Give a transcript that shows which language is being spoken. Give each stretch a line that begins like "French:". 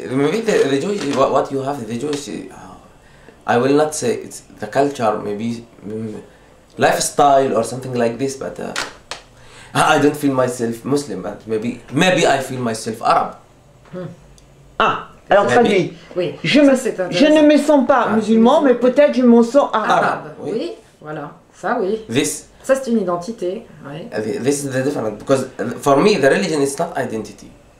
English: Maybe the Jewish, what you have, the Jewish, I will not say it's the culture, maybe lifestyle or something like this, but I don't feel myself Muslim, but maybe I feel myself Arab.
French: Ah, alors maybe. Traduit. Oui, je, ça, me, c'est intéressant. Je ne me sens pas musulman, mais peut-être je me sens arabe. Oui. Oui, voilà, ça oui.
English: This.
French: Ça c'est une identité, oui.
English: This is the difference, because for me, the religion is not identity.